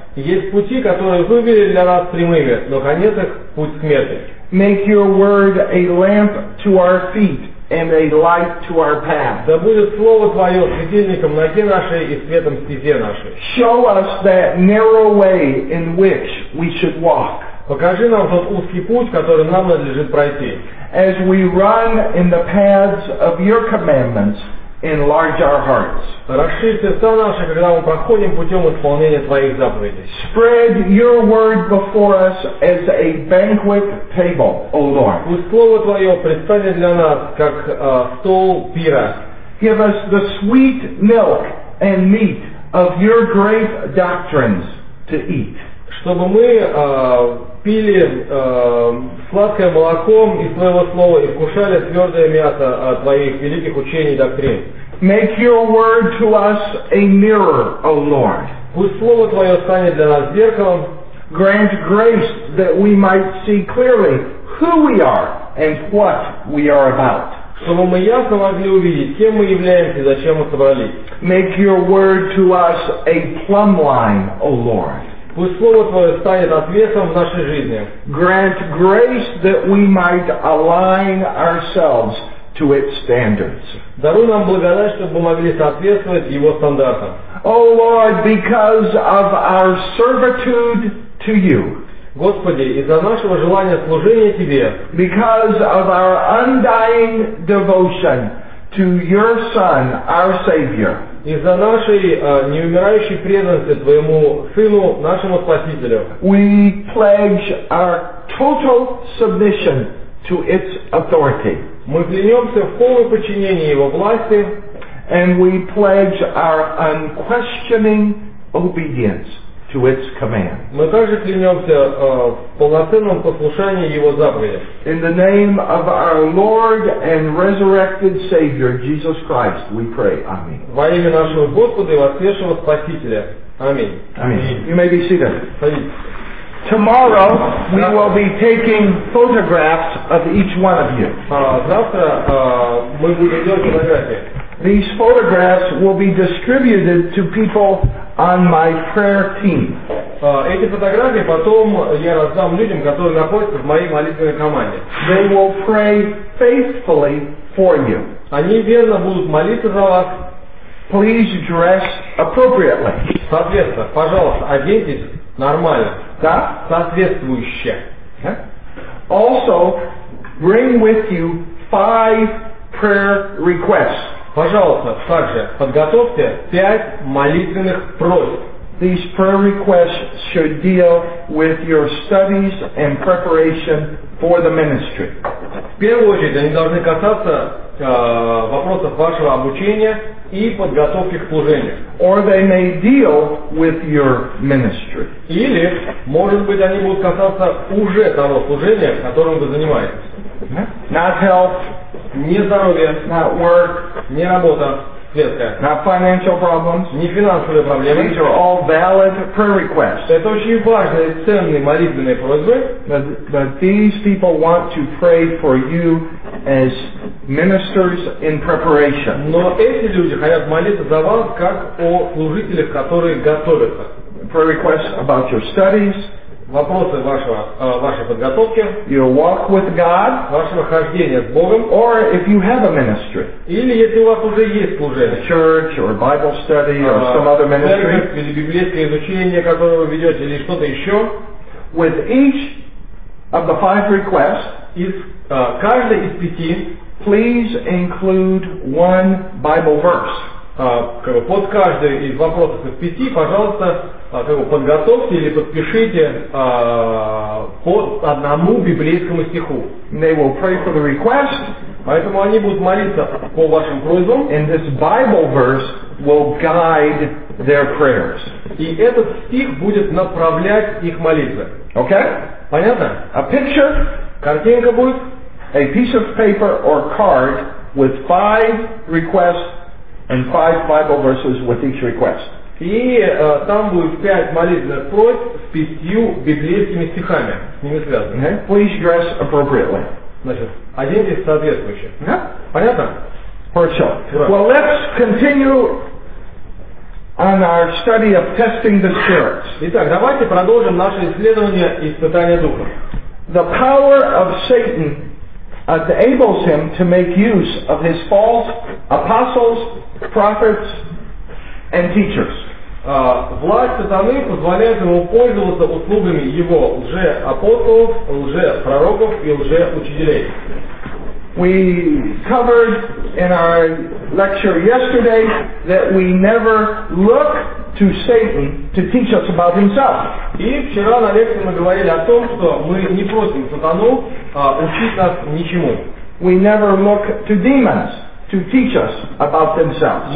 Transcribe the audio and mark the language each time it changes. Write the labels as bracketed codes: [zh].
[ru] Есть пути, которые выглядят для нас прямыми, но конец их путь смерти. [en] Make your word a lamp to our feet and a light to our path. [ru] Да будет слово Твое светильником ноге нашей и светом стезе нашей. [en] Show us that narrow way in which we should walk. [ru] Покажи нам тот узкий путь, который нам надлежит пройти. [en] As we run in the paths of your commandments, enlarge our hearts. [ru] Расширь сердца наши, когда мы проходим путем исполнения Твоих заповедей. [en] Spread your word before us as a banquet table, O Lord. [ru] Пусть слово Твое предстанет для нас как стол пира. [en] Give us the sweet milk and meat of your great doctrines to eat. [ru] Чтобы мы пили сладкое молоко из Твоего слова и вкушали твердое мясо Твоих великих учений и доктрин. [en] Make your word to us a mirror, O Lord. [ru] Пусть слово Твое станет для нас зеркалом. [en] Grant grace that we might see clearly who we are and what we are about. [ru] Чтобы мы ясно могли увидеть, кем мы являемся и зачем мы собрались. [en] Make your word to us a plumb line, O Lord. [ru] Пусть слово Твое станет ответом в нашей жизни. [en] Grant grace that we might align ourselves to its standards. [ru] Даруй нам благодать, чтобы мы могли соответствовать Его стандартам. [en] O Lord, because of our servitude to You. [ru] Господи, из-за нашего желания служения Тебе. [en] Because of our undying devotion to Your Son, our Savior. [ru] Из-за нашей неумирающей преданности Твоему Сыну, нашему Спасителю. [en] We pledge our total submission to its authority. [ru] Мы клянемся в полном подчинении Его власти. [en] And we pledge our unquestioning obedience to its command. [ru] Мы также клянемся в полноценном послушании Его заповедям. [en] In the name of our Lord and resurrected Savior, Jesus Christ, we pray. Amen. [ru] Во имя нашего Господа и воскресшего Спасителя. Аминь. Аминь. [en] You may be seated. [ru] Садитесь. [en] Tomorrow we will be taking photographs of each one of you. [ru] Завтра мы будем делать фотографии. [en] These photographs will be distributed to people on my prayer team. [ru] Эти фотографии потом я раздам людям, которые находятся в моей молитвенной команде. [en] They will pray faithfully for you. [ru] Они верно будут молиться за вас. [en] Please dress appropriately. [ru] Соответственно, пожалуйста, оденьтесь нормально. Да? Соответствующе. Okay. [en] Also, bring with you 5 prayer requests. [ru] Пожалуйста, также подготовьте 5 молитвенных просьб. [en] These prayer requests should deal with your studies and preparation for the ministry. [ru] В первую очередь, они должны касаться вопросов вашего обучения и подготовки к служению. [en] Or they may deal with your ministry. [ru] Или, может быть, они будут касаться уже того служения, которым вы занимаетесь. [en] Not health. [ru] Не здоровье. [en] Not work. [ru] Не работа. Светская. [en] Not financial problems. [ru] Не финансовые проблемы. [en] These are all valid prayer requests. [ru] Это очень важные, ценные молитвенные просьбы. [en] But these people want to pray for you as ministers in preparation. [ru] Но эти люди хотят молиться за вас, как о служителях, которые готовятся. [en] Prayer requests about your studies. [ru] Вопросы вашей подготовки. [en] Your walk with God. [ru] Вашего хождения с Богом. [en] Or if you have a ministry. [ru] Или если у вас уже есть служение. [en] A church or Bible study or some other ministry. [ru] Или библейское изучение, которое вы ведете, или что-то еще. [en] With each of the 5 requests. [ru] Из каждой из 5. [en] Please include one Bible verse. [ru] Под каждой из вопросов из 5, пожалуйста, подготовьте или подпишите по одному библейскому стиху. [en] They will pray for the request. [ru] Поэтому они будут молиться по вашим просьбам. [en] And this Bible verse will guide their prayers. [ru] И этот стих будет направлять их молитвы. [en] Okay? [ru] Понятно? [en] A picture. [ru] Картинка будет. [en] A piece of paper or card with 5 requests. And 5 Bible verses with each request. [ru] И там будет 5 молитвенных просьб с 5 библейскими стихами, с ними связанными. [en] Okay. Please dress appropriately. [ru] Значит, оденьтесь соответствующе. [en] Yeah. [ru] Понятно? Хорошо. Right. [en] Well, let's continue on our study of testing the spirits. [ru] Итак, давайте продолжим наше исследование испытания духа. [en] The power of Satan enables him to make use of his false apostles, prophets, and teachers. [ru] Власть сатаны позволяет ему пользоваться услугами его лжеапостолов, лжепророков и лжеучителей. [en] We covered in our lecture yesterday that we never look to Satan to teach us about himself. [ru] И вчера на лекции мы говорили о том, что мы не просим сатану учить нас ничему. [en] We never look to demons to teach us about themselves.